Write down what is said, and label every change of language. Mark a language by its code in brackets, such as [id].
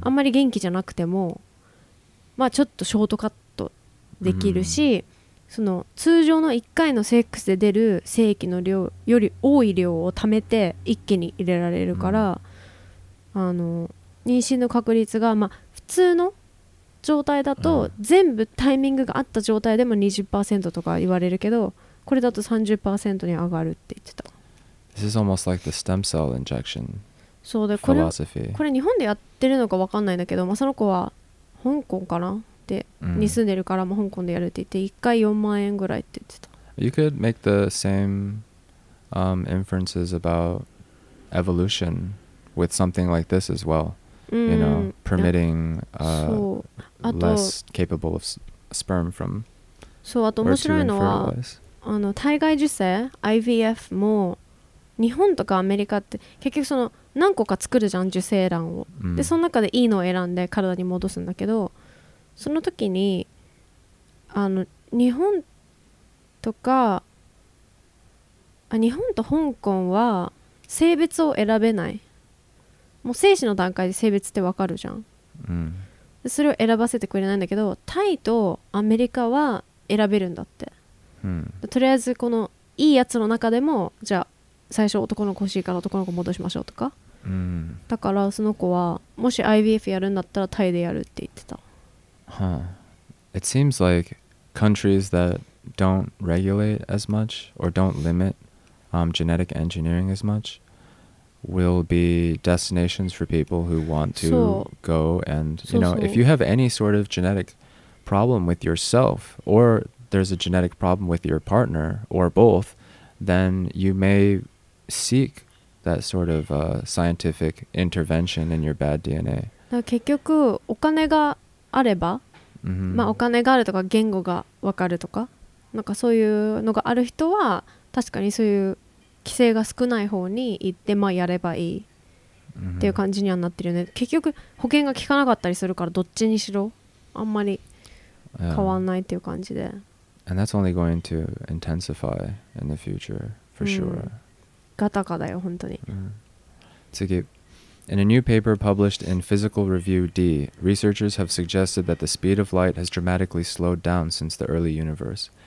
[ja] あんまり元気じゃなくても、まあ、ちょっとショートカットできるし、うん、その通常の1回のセックスで出る精液の量より多い量を貯めて一気に入れられるから、うん、あの妊娠の確率が、まあ、普通の状態だと全部タイミングが合った状態でも 20% とか言われるけど、これだと 30% に上がるって言ってた。 [en] This is almost like the stem cell injection. [ja] そうで、これ日本でやってるのか分かんないんだけど、まあ、その子は香港かなって、うん、に住んでるから、まあ、香港でやるって言って1回4万円ぐらいって言ってた。 [en] You could make the same inferences about evolution with something like this as well. You know, permitting less capable of sperm from. [ja] そう、あと面白いのはあの体外受精 IVF も日本とかアメリカって結局その何個か作るじゃん、受精卵を、うん、でその中でいいのを選んで体に戻すんだけど、その時にあの日本とか、あ、日本と香港は性別を選べない、もう精子の段階で性別って分かるじゃん、うん、でそれを選ばせてくれないんだけど、タイとアメリカは選べるんだって。うん、とりあえずこのいいやつの中でも、じゃあ最初男の子欲しいから男の子戻しましょうとか、うん、だからその子はもし IVF やるんだったらタイでやるって言ってた。 Huh. [en] It seems like countries that don't regulate as much or don't limit genetic engineering as much will be destinations for people who want to go and you know, if you have any sort of genetic problem with yourself orthere's a genetic problem with your partner or both, then you may seek that sort of scientific intervention in your bad DNA. [ja] だから結局お金があれば、 mm-hmm. まあお金があるとか言語がわかるとか、なんかそういうのがある人は確かにそういう規制が少ない方に行って、まあやればいいっていう感じにはなってるよね。結局保険が効かなかったりするから、どっちにしろあんまり変わんないっていう感じで。 [en] Yeah. And that's only going to intensify in the future, for sure. [ja] ガタカだよ、本当に。次。 [en] In a new paper published in Physical Review D, researchers have suggested that the speed of light has dramatically slowed down since the early universe.